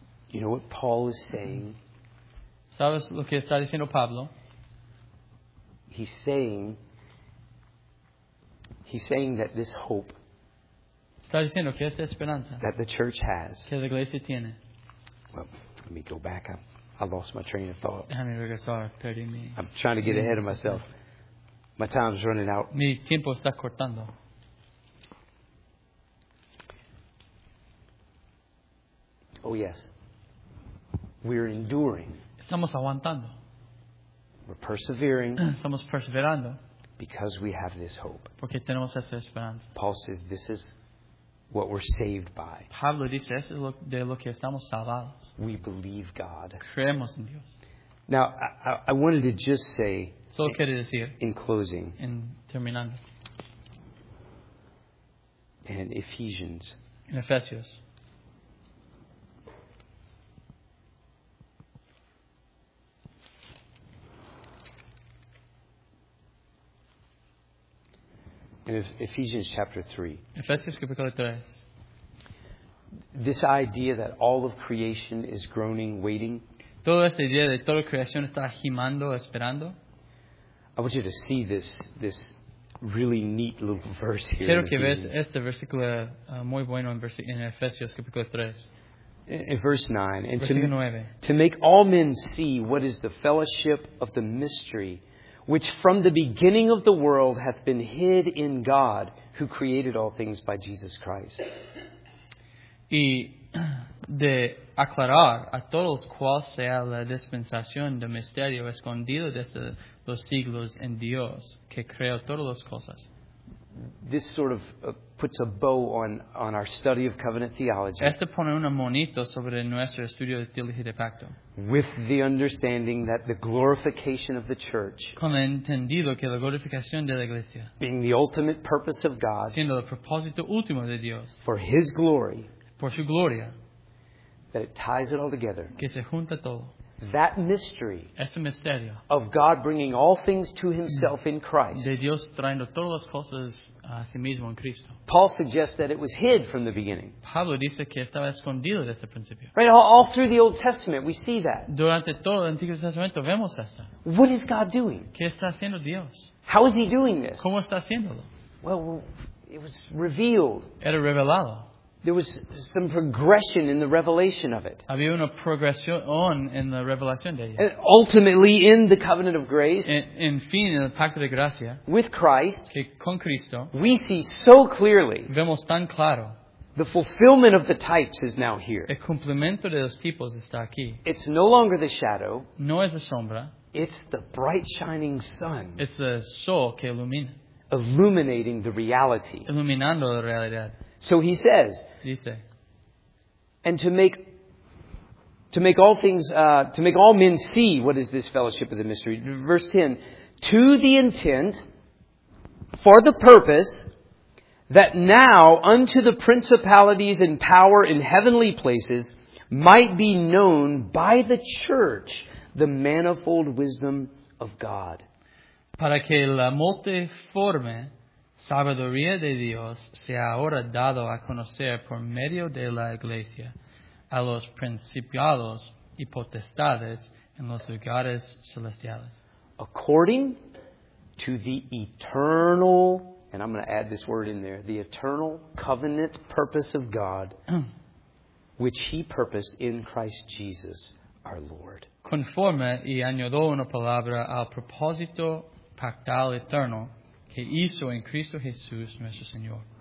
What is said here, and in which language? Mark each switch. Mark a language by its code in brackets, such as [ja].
[en] You know what Paul is saying? [es] ¿Sabes lo que está diciendo Pablo? [en] He's saying that this hope [es] está diciendo que esta esperanza [en] that the church has. [es] Que la iglesia tiene. [en] Well, let me go back. I lost my train of thought. [es] Déjame regresar, perdí mi. [en] I'm trying to get ahead of myself. My time's running out. [es] Mi tiempo está cortando. [en] Oh, yes. We're enduring. [es] Estamos aguantando. [en] We're persevering. [es] Estamos perseverando. [en] Because we have this hope. [es] Porque tenemos esta esperanza. [en] Paul says this is what we're saved by. [es] Pablo dice, eso es de lo que estamos salvados. [en] We believe God. [es] Creemos en Dios. [en] Now, I wanted to just say, [es] solo quiero decir, [en] in closing, [es] en terminando, [en] and Ephesians, in Ephesians, in Ephesians chapter 3. [es] Ephesians capítulo 3. [en] This idea that all of creation is groaning, waiting. [es] Toda esta idea de toda creación está gimando, esperando. [en] I want you to see this really neat little verse here. [es] Quiero que veas este versículo muy bueno en Efesios capítulo 3. [en] In verse 9. And [es] versículo 9. [en] To make all men see what is the fellowship of the mystery, which from the beginning of the world hath been hid in God, who created all things by Jesus Christ. [es] Y de aclarar a todos cuál sea la dispensación de misterio escondido desde los siglos en Dios que creó todas las cosas. [en] This sort of puts a bow on our study of covenant theology. [es] Esto pone un monito sobre nuestro estudio de teología de pacto. [en] With the understanding that the glorification of the church, [es] con el entendido que la glorificación de la iglesia, [en] being the ultimate purpose of God, [es] siendo el propósito último de Dios, [en] for His glory, [es] por su gloria, [en] that it ties it all together. [es] Que se junta todo. [en] That mystery, [es] ese misterio, [en] of God bringing all things to Himself in Christ. [es] De Dios trayendo todas las cosas a sí mismo en Cristo. [en] Paul suggests that it was hid from the beginning. [es] Pablo dice que estaba escondido desde el principio. [en] Right, all through the Old Testament, we see that. [es] Durante todo el Antiguo Testamento vemos esto. [en] What is God doing? [es] ¿Qué está haciendo Dios? [en] How is He doing this? [es] ¿Cómo está haciéndolo? [en] Well, it was revealed. [es] Era revelado. [en] There was some progression in the revelation of it. [es] Había una progresión en la revelación de ella. [en] And ultimately, in the covenant of grace, [es] en fin, en el pacto de gracia, [en] with Christ, [es] que con Cristo, [en] we see so clearly, [es] vemos tan claro, [en] the fulfillment of the types is now here. [es] El cumplimiento de los tipos está aquí. [en] It's no longer the shadow. [es] No es la sombra. [en] It's the bright shining sun. [es] Es el sol que ilumina. [en] Illuminating the reality. [es] Iluminando la realidad. [en] So he says, [es] dice, [en] and to make all men see what is this fellowship of the mystery. Verse 10, to the intent, for the purpose, that now unto the principalities and power in heavenly places might be known by the church the manifold wisdom of God. [es] Para que la multiforme sabiduría de Dios se ha ahora dado a conocer por medio de la iglesia a los principados y potestades en los lugares celestiales. [en] According to the eternal, and I'm going to add this word in there, the eternal covenant purpose of God, which He purposed in Christ Jesus our Lord. [es] Conforme y añadió una palabra al propósito pactal eterno que hizo en Cristo Jesús nuestro Señor.